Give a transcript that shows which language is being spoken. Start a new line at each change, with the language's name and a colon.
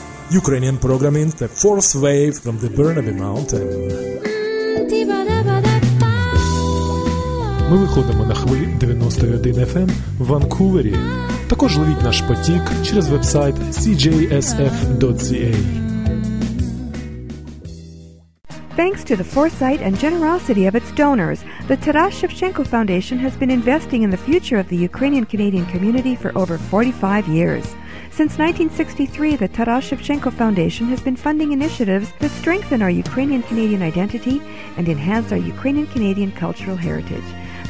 English: Ukrainian programming – the fourth wave from the Burnaby Mountain.
Ukrainian: Ми виходимо на хвилі 91 FM в Ванкувері. Також ловіть наш потік через вебсайт cjsf.ca.
English: Thanks to the foresight and generosity of its donors, the Taras Shevchenko Foundation has been investing in the future of the Ukrainian-Canadian community for over 45 years. Since 1963, the Taras Shevchenko Foundation has been funding initiatives that strengthen our Ukrainian-Canadian identity and enhance our Ukrainian-Canadian cultural heritage.